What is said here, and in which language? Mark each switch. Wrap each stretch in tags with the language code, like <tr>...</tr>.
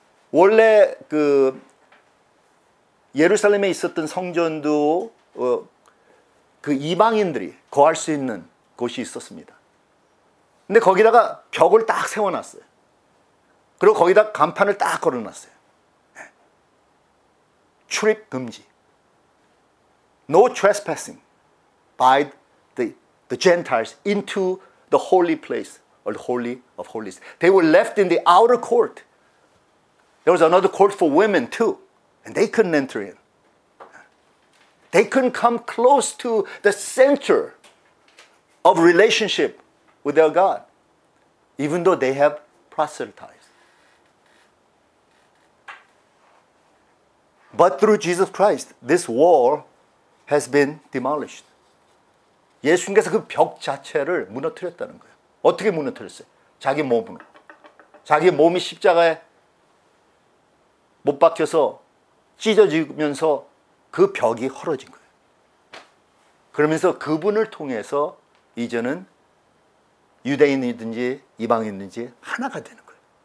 <ko>원래 그 예루살렘에 있었던 성전도 그 이방인들이 거할 수 있는 곳이 있었습니다. 근데 거기다가 벽을 딱 세워놨어요. 그리고 거기다 간판을 딱 걸어놨어요. 출입 금지.</ko> <en>No trespassing by the Gentiles into the holy place. Or the Holy of Holies. They were left in the outer court. There was another court for women too. And they couldn't enter in. They couldn't come close to the center of relationship with their God. Even though they have proselytized. But through Jesus Christ, this wall has been demolished.</en> <ko>예수님께서 그 벽 자체를 무너뜨렸다는 거예요. 어떻게 무너뜨렸어요? 자기 몸으로. 자기 몸이 십자가에 못 박혀서 찢어지면서 그 벽이 헐어진 거예요. 그러면서 그분을 통해서 이제는 유대인이든지 이방인이든지 하나가 되는 거예요.</ko>